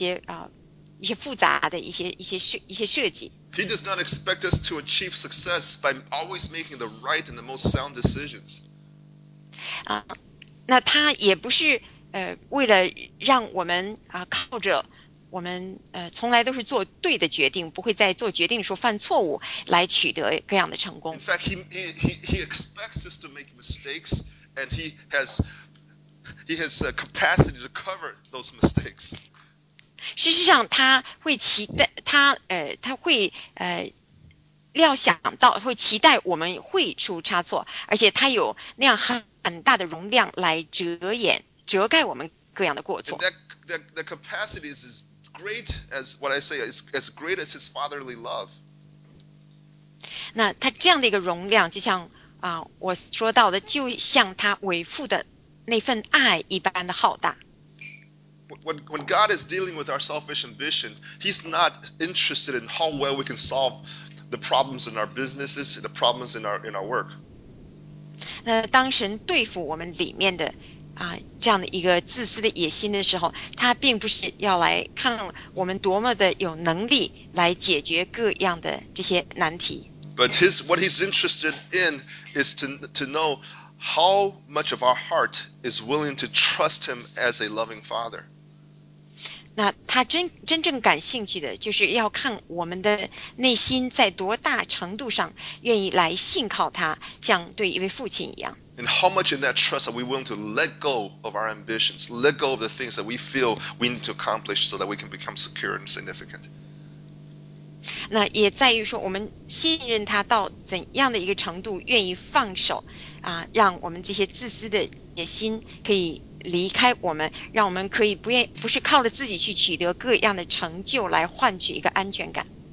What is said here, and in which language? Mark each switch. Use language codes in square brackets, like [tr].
[zh] 但神他创造我们，他设计我们不是为了让我们去搞清楚他各样的这样的一些复杂的一些设计。 [en] He does not expect us to achieve success by always making the right and the most sound decisions. [zh] 那他也不是为了让我们靠着我们从来都是做对的决定，不会在做决定的时候犯错误来取得各样的成功。 [en] In fact, he expects us to make mistakes, and he has capacity to cover those mistakes. [zh] 事实上，他会期待，他会料想到，会期待我们会出差错，而且他有那样很大的容量来遮掩、遮盖我们各样的错误。各样的过错。 [en] The capacity is as great as what I say is as great as his fatherly love. [zh] 那他这样的一个容量，就像我说到的，就像他为父的那份爱一般的浩大。 [en] When God is dealing with our selfish ambition, He's not interested in how well we can solve the problems in our businesses, the problems in our work. [zh] 那当神对付我们里面的这样的一个自私的野心的时候，他并不是要来看我们多么的有能力来解决各样的这些难题。 [en] But what he's interested in is to know how much of our heart is willing to trust him as a loving father. [zh] 那他真正感兴趣的就是要看我们的内心在多大程度上愿意来信靠他，像对一位父亲一样。 [en] And how much in that trust are we willing to let go of our ambitions, let go of the things that we feel we need to accomplish so that we can become secure and significant? [zh] 那也在于说，我们信任他到怎样的一个程度，愿意放手，让我们这些自私的野心可以离开我们，让我们可以不是靠着自己去取得各样的成就来换取一个安全感。